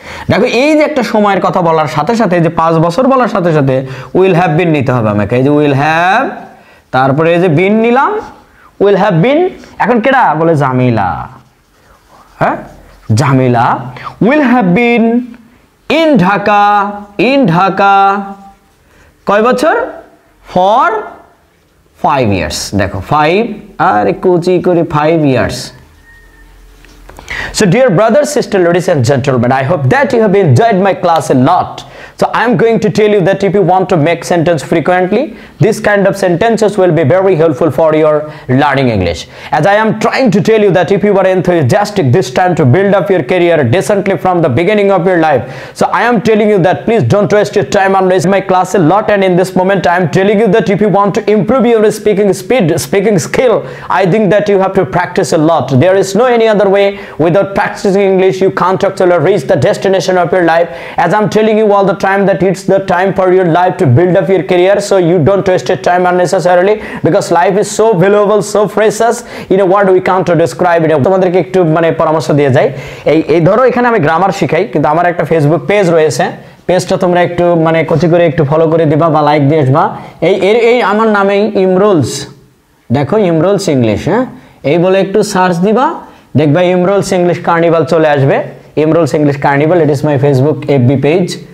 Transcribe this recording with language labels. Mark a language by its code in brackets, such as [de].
[bn] দেখো এই যে একটা সময়ের কথা বলার সাথে সাথে, যে পাঁচ বছর বলার সাথে সাথে উইল হ্যাভ বিন নিতে হবে আমাকে, এই যে উইল হ্যাভ, তারপরে এই যে বিন নিলাম উইল হ্যাভ বিন, এখন কেডা বলে জামিলা, হ্যাঁ Jamila [en] will have been in Dhaka, [bn] in Dhaka কয় বছর, [en] For five years. [bn] দেখো ফাইভ আর কুচি করে five years. [en] So dear brothers, sisters, ladies and gentlemen, I hope that you have enjoyed my class a lot. So I am going to tell you that if you want to make sentence frequently, this kind of sentences will be very helpful for your learning English. As I am trying to tell you that if you are enthusiastic this time to build up your career decently from the beginning of your life, so I am telling you that please don't waste your time on raising my class a lot. And in this moment I am telling you that if you want to improve your speaking speed, speaking skill, I think that you have to practice a lot. There is no any other way. Without practicing English you can't actually reach the destination of your life. As I'm telling you all the time that it's the time for your life to build up your career, so you don't waste your time unnecessarily, because life is so valuable, so precious, in a word we can't describe it. [bn] তোমাদেরকে একটু মানে পরামর্শ দিয়ে যাই, এই এই ধরো এখানে আমি গ্রামার শিখাই, কিন্তু আমার একটা ফেসবুক পেজ রয়েছে, পেজটা তোমরা একটু মানে কচি করে একটু ফলো করে দিবা বা লাইক দিয়ে আসবা। এই এই আমার নামেই ইমরুলস, দেখো ইমরুলস ইংলিশ, হ্যাঁ এই বলে একটু সার্চ দিবা, দেখবা ইমরুলস ইংলিশ কার্নিভাল চলে আসবে, Imrul's English carnival, [en] It is my Facebook FB page.